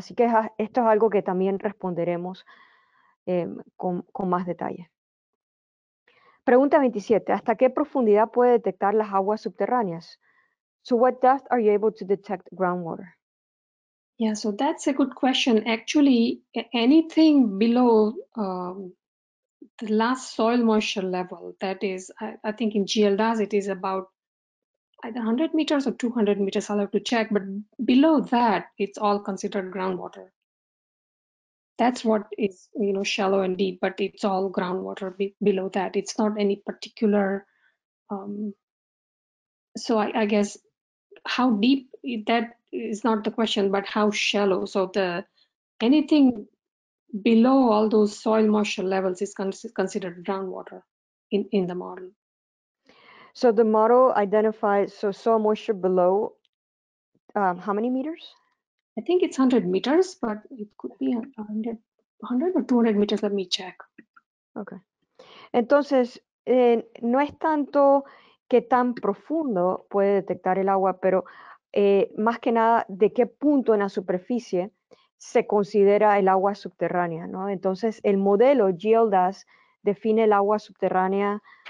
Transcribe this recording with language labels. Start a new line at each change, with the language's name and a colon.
Spanish: Así que esto es algo que también responderemos con más detalle. Pregunta 27. ¿Hasta qué profundidad puede detectar las aguas subterráneas?
English: So what depth are you able to detect groundwater? Yeah, so that's a good question. Actually, anything below the last soil moisture level, that is, I think in GLDAS it is about either 100 meters or 200 meters, I'll have to check, but below that, it's all considered groundwater. That's what is, you know, shallow and deep, but it's all groundwater below that. It's not any particular, so I guess how deep, that is not the question, but how shallow. So the anything below all those soil moisture levels is considered groundwater in the model. So the model identifies, so soil moisture below how many meters? I think it's 100 meters, but it could be 100 or 200 meters. Let me check. Okay.
Spanish: Entonces, no es tanto qué tan profundo puede detectar el agua, pero más que nada de qué punto en la superficie se considera el agua subterránea, ¿no? Entonces, el modelo GLDAS define el agua subterránea.